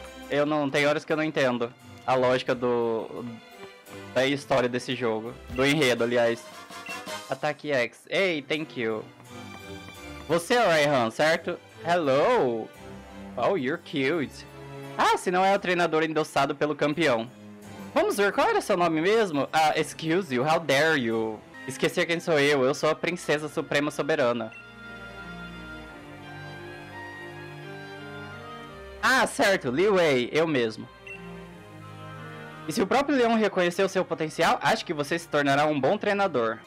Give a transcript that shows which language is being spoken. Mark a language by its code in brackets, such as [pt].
[pt] Eu não. Tem horas que eu não entendo a lógica da história desse jogo. Do enredo, aliás. Ataque X. Ei, [en] hey, thank you. [pt] Você é o Raihan, certo? [en] Hello! Oh, you're cute. [pt] Ah, se não é o treinador endossado pelo campeão. Vamos ver, qual era seu nome mesmo? [en] Ah, excuse you, how dare you? [pt] Esqueci quem sou eu sou a Princesa Suprema Soberana. Ah, certo, Liu Wei, eu mesmo. E se o próprio Leão reconhecer o seu potencial, acho que você se tornará um bom treinador.